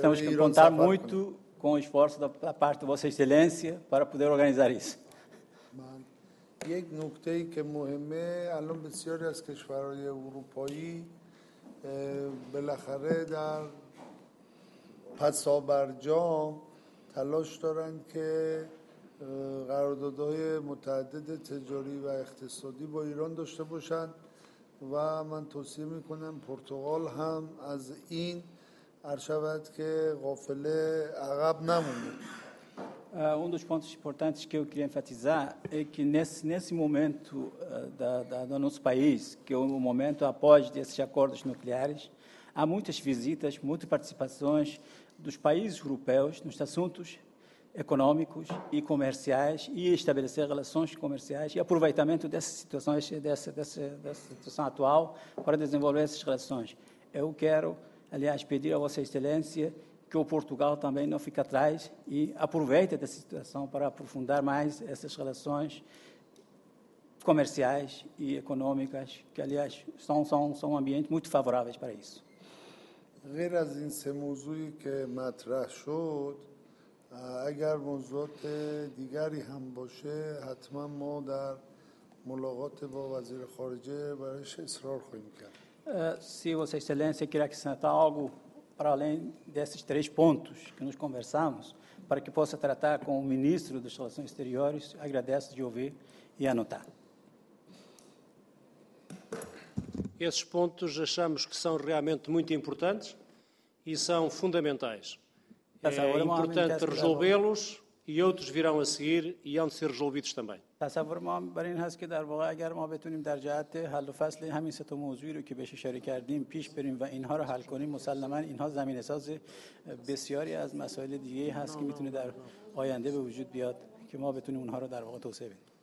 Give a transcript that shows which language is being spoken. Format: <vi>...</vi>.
<pt>temos que contar muito com o esforço da parte de Vossa Excelência para poder organizar isso.</pt> <fa>یک نکته ای که مهمه الان بسیاری از کشورهای اروپایی بالاخره در پسابرجام تلاش دارند که قراردادهای متعدد تجاری و اقتصادی با ایران داشته باشند و من توصیه میکنم پرتغال هم از این عرشبت که غافله عقب نمونه</fa> <pt>Um dos pontos importantes que eu queria enfatizar é que nesse momento do nosso país, que é o momento após desses acordos nucleares, Há muitas visitas, muitas participações dos países europeus nos assuntos econômicos e comerciais e estabelecer relações comerciais e aproveitamento dessas situações, dessa situação atual para desenvolver essas relações. Eu quero, aliás, pedir a Vossa Excelência que o Portugal também não fique atrás e aproveite dessa situação para aprofundar mais essas relações comerciais e econômicas, que, aliás, são um ambiente muito favorável para isso.</pt> <fa>غیر از این سه موضوعی که مطرح شد اگر موضوعات دیگری هم باشه حتما ما در ملاقات با وزیر خارجه برایش اصرار خواهیم کرد.</fa> <pt>Se Vossa Excelência quer acrescentar algo para além desses três pontos que nós conversamos, para que possa tratar com o ministro das Relações Exteriores, agradeço de ouvir e anotar. Esses pontos achamos que são realmente muito importantes e são fundamentais. É importante resolvê-los e outros virão a seguir e hão de ser resolvidos também.</pt> <fa>تصور ما برای این هست که در واقع اگر ما بتونیم در جهت حل و فصل همین سه تا موضوعی رو که بهش اشاره کردیم پیش بریم و اینها رو حل کنیم مسلما اینها زمینه ساز بسیاری از مسائل دیگه هست که میتونه در آینده به وجود بیاد که ما بتونیم اونها رو در واقع توسعه بدیم.</fa>